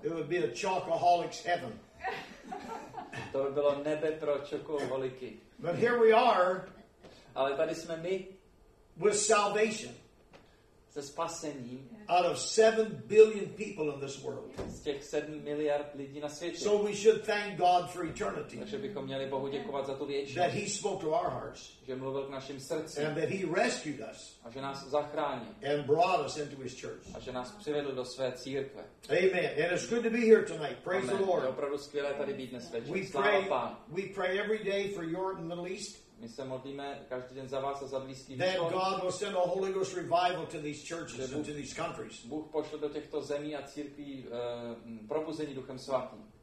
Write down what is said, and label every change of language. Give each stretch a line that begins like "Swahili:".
English: It would be a chocoholic's heaven.
Czech: To by bylo nebe pro čokoholiky.
English: But here we are.
Czech: Ale tady jsme my.
English: With salvation,
Czech: se spasením,
English: out of 7 billion people in this world,
Czech: z těch 7 miliard lidí na světě.
English: So we should thank God for eternity.
Czech: Takže bychom měli Bohu děkovat za tu věčnost.
English: That He spoke to our hearts,
Czech: že mluvil k našim srdcím,
English: and that He rescued us,
Czech: a že nás zachránil,
English: and brought us into His church,
Czech: a že nás přivedl do své církve.
English: Amen. And it's good to be here tonight. Praise Amen. The Lord.
Czech: Je opravdu skvělé tady být dnes večer.
English: We pray every day for Europe and the Middle East.
Czech: My se modlíme každý den za vás a za blízký východ. Bůh pošle do těchto zemí a církví probuzení Duchem Svatým.